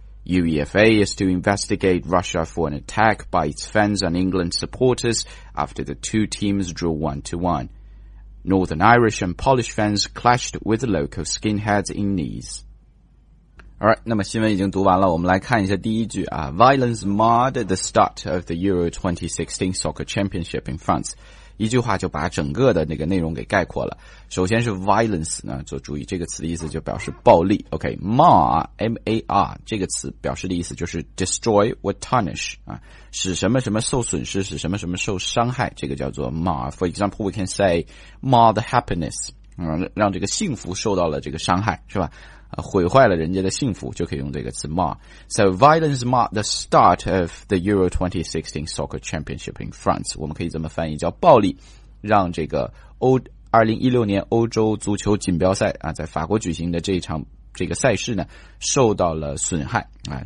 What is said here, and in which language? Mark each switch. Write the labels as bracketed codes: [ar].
[en] UEFA is to investigate Russia for an attack by its fans on England supporters after the two teams drew 1-1. Northern Irish and Polish fans clashed with local skinheads in Nice. [zh] Alright, 那么新闻已经读完了，我们来看一下第一句啊。 [en] Violence marred the start of the Euro 2016 soccer championship in France. [zh] 一句话就把整个的那个内容给概括了。首先是 violence 呢，就注意这个词的意思就表示暴力。 OK, mar, M-A-R, 这个词表示的意思就是 [en] destroy or tarnish, [zh] 啊，使什么什么受损失，使什么什么受伤害，这个叫做 mar. [en] For example, we can say, mar the happiness, [zh] 让这个幸福受到了这个伤害，是吧？毁坏了人家的幸福，就可以用这个词 mar. [en] So violence marred the start of the Euro 2016 soccer championship in France. [zh] 我们可以这么翻译，叫暴力让这个2016年欧洲足球锦标赛啊，在法国举行的这一场这个赛事呢受到了损害啊。